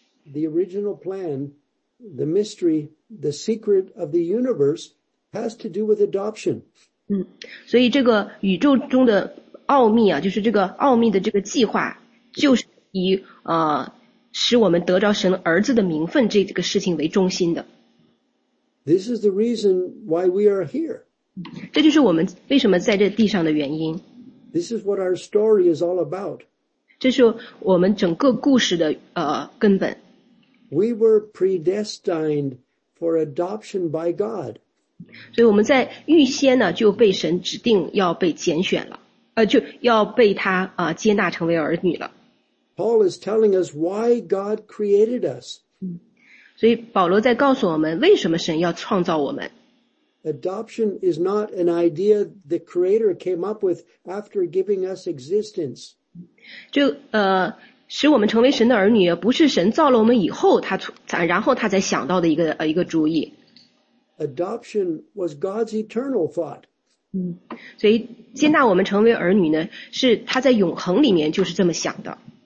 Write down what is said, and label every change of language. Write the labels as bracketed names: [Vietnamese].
[English] The original plan, the mystery, the secret of the universe has to do with adoption. [Chinese] 所以这个宇宙中的奥秘啊，就是这个奥秘的这个计划。就是以使我们得着神儿子的名分这个事情为中心的。 [English] This is the reason why we are here. [Chinese] 这就是我们为什么在这地上的原因。 [English] This is what our story is all about. [Chinese] 这是我们整个故事的根本。 [English] We were predestined for adoption by God. [Chinese] 所以我们在预先呢就被神指定要被拣选了。就要被他接纳成为儿女了。 [English] Paul is telling us why God created us. [Chinese] 所以保罗在告诉我们为什么神要创造我们。 [English] Adoption is not an idea the Creator came up with after giving us existence. [Chinese] 就使我们成为神的儿女，不是神造了我们以后然后他才想到的一个主意。 [English] Adoption was God's eternal thought. [Chinese] 所以接纳我们成为儿女呢，是他在永恒里面就是这么想的。